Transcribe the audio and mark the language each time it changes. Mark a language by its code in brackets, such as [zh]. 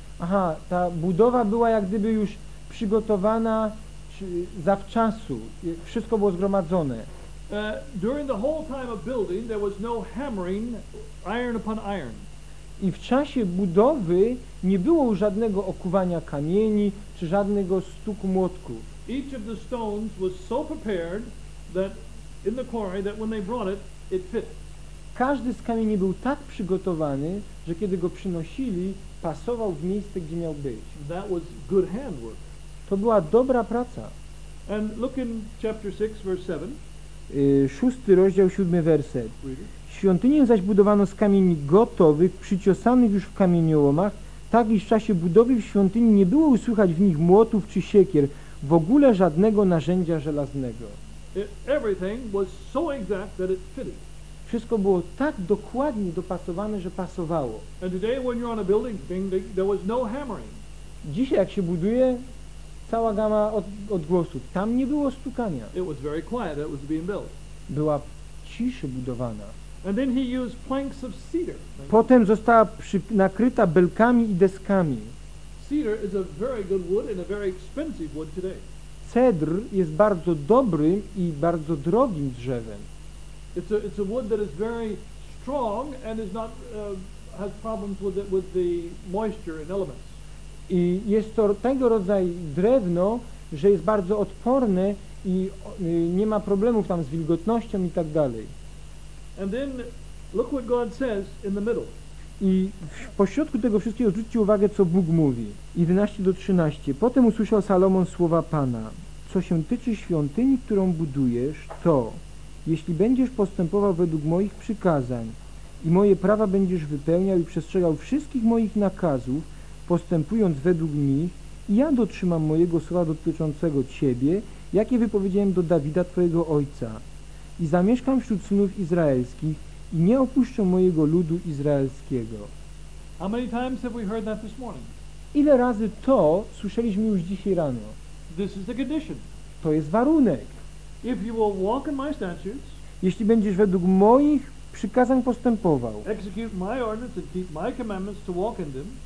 [pl] Aha, ta budowa była jak gdyby już przygotowana zawczasu. Wszystko było zgromadzone. [en] During the whole time of building there was no hammering iron upon iron. [pl] I w czasie budowy nie było żadnego okuwania kamieni czy żadnego stuku młotków. [en] Each of the stones was so prepared that in the quarry that when they brought it, it fit. [pl] Każdy z kamieni był tak przygotowany, że kiedy go przynosili, pasował w miejsce, gdzie miał być. [en] That was good handwork. [pl] To była dobra praca. [en] And look in chapter 6, verse 7. [pl] Szósty rozdział, siódmy werset. Świątynię zaś budowano z kamieni gotowych, przyciosanych już w kamieniołomach, tak iż w czasie budowy w świątyni nie było usłychać w nich młotów czy siekier, w ogóle żadnego narzędzia żelaznego. [en] Everything was so exact that it fitted. [pl] Wszystko było tak dokładnie dopasowane, że pasowało. [en] And today when you're on a building, there was no hammering. [pl] Dzisiaj jak się buduje, cała gama odgłosów. Tam nie było stukania. [en] It was very quiet that was being built. [pl] Była ciszy budowana. [en] And then he used planks of cedar. [pl] Potem została nakryta belkami i deskami. [en] Cedar is a very good wood and a very expensive wood today. [pl] Cedr jest bardzo dobrym i bardzo drogim drzewem. [en] It's a wood that is very strong and is not has problems with the moisture and elements. [pl] I jest to tego rodzaju drewno, że jest bardzo odporne i nie ma problemów tam z wilgotnością i tak dalej. [en] And then look what God says in the middle. [pl] I w pośrodku tego wszystkiego zwróćcie uwagę, co Bóg mówi. 11-13. Potem usłyszał Salomon słowa Pana. Co się tyczy świątyni, którą budujesz, to jeśli będziesz postępował według moich przykazań i moje prawa będziesz wypełniał i przestrzegał wszystkich moich nakazów, postępując według nich, ja dotrzymam mojego słowa dotyczącego Ciebie, jakie wypowiedziałem do Dawida, Twojego ojca. I zamieszkam wśród synów izraelskich i nie opuszczę mojego ludu izraelskiego. [en] How many times have we heard that this morning? [pl] Ile razy to słyszeliśmy już dzisiaj rano? [en] This is the condition. [pl] To jest warunek. [en] If you will walk in my statutes, [pl] jeśli będziesz według moich przykazań postępował, [en] execute my ordinance and keep my commandments to walk in them,